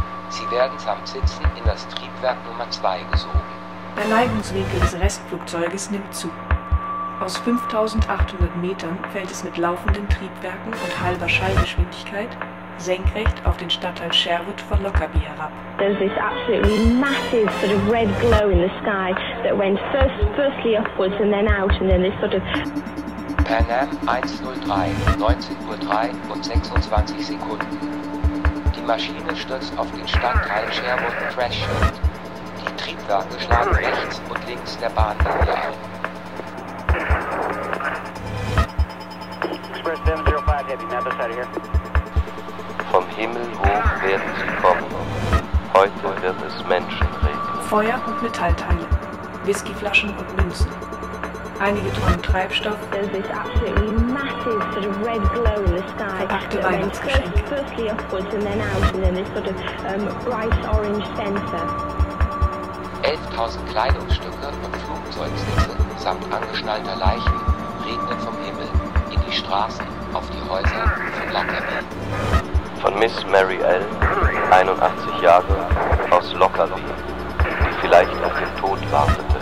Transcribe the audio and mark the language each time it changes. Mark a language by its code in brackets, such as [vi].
[de] Sie werden samt Sitzen in das Triebwerk Nummer 2 gesogen. Der Neigungswinkel des Restflugzeuges nimmt zu. Aus 5800 Metern fällt es mit laufenden Triebwerken und halber Schallgeschwindigkeit senkrecht auf den Stadtteil Sherwood von Lockerbie herab. [en] There's this absolutely massive sort of red glow in the sky that went firstly upwards and then out and then this sort of... [de] Pan Am 103, 19.03 und 26 Sekunden. Die Maschine stürzt auf den Stadtteil Sherwood Crashfield. Die Triebwerke schlagen rechts und links der Bahnlinie ein. [en] Express 705, Heavy Mathis out here. [de] Vom Himmel hoch werden sie kommen. Heute wird es Menschen regnen. Feuer und Metallteile, Whiskyflaschen und Münzen. Einige Tonnen Treibstoff. [en] Sort of red glow in the sky. Firstly upwards and then out, and then this sort of bright orange center. [de] 11.000 Kleidungsstücke und Flugzeugsitze samt angeschnallter Leichen regnen vom Himmel in die Straßen, auf die Häuser von Lockerbie. Von Miss Mary L., 81 Jahre, aus Lockerbie, die vielleicht auf den Tod wartete.